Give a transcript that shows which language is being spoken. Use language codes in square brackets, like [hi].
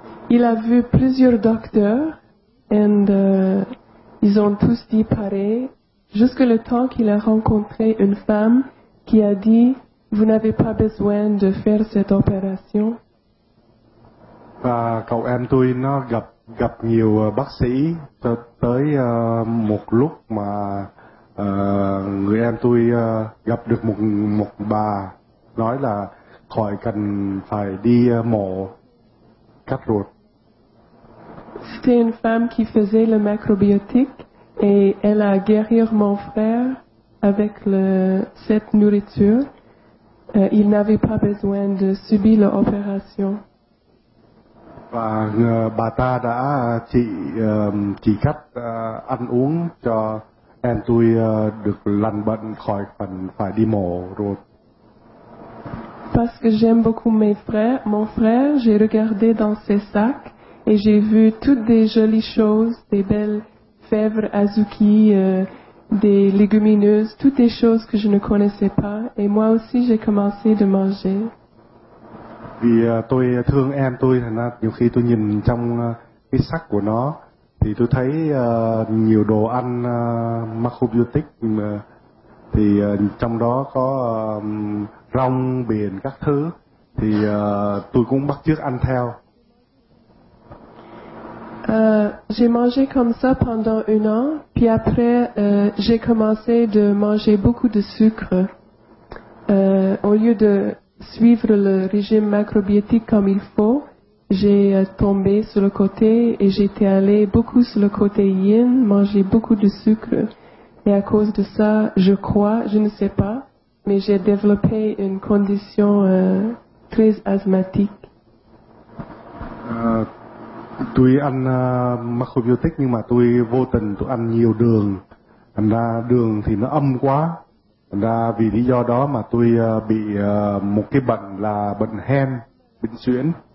[fr] Il a vu plusieurs docteurs and ils ont tous dit pareil, jusque le temps qu'il a rencontré une femme qui a dit vous n'avez pas besoin de faire cette opération. [vi] Và cậu em tôi nó gặp nhiều bác sĩ tới một lúc mà người em tôi gặp được một bà nói là khỏi cần phải đi mổ cắt ruột. [fr] C'était une femme qui faisait le macrobiotique et elle a guéri mon frère avec cette nourriture. Il n'avait pas besoin de subir l'opération. [vi] Và bà ta đã chỉ cắt ăn uống cho em tôi được lành bệnh khỏi phần phải đi mổ ruột. [fr] Parce que j'aime beaucoup mon frère, j'ai regardé dans ses sacs et j'ai vu toutes des jolies choses, des belles fèves, azuki, des légumineuses, toutes des choses que je ne connaissais pas et moi aussi j'ai commencé de manger. [vi] Vì tôi thương em tôi, thành ra nhiều khi tôi nhìn trong cái sắc của nó thì tôi thấy nhiều đồ ăn macrobiotic, thì trong đó có rong biển các thứ, thì tôi cũng bắt chước ăn theo. [fr] J'ai mangé comme ça pendant un an, puis après j'ai commencé de manger beaucoup de sucre. Au lieu de suivre le régime macrobiotique comme il faut, j'ai tombé sur le côté et j'étais allé beaucoup sur le côté yin, manger beaucoup de sucre. Et à cause de ça, je crois, je ne sais pas, mais j'ai développé une condition crise asthmatique. [vi] Tôi ăn macrobiotic nhưng mà tôi vô tình tôi ăn nhiều đường. Thành ra đường thì nó âm quá. Thành ra vì lý do đó mà tôi bị một cái bệnh là bệnh hen, bệnh suyễn.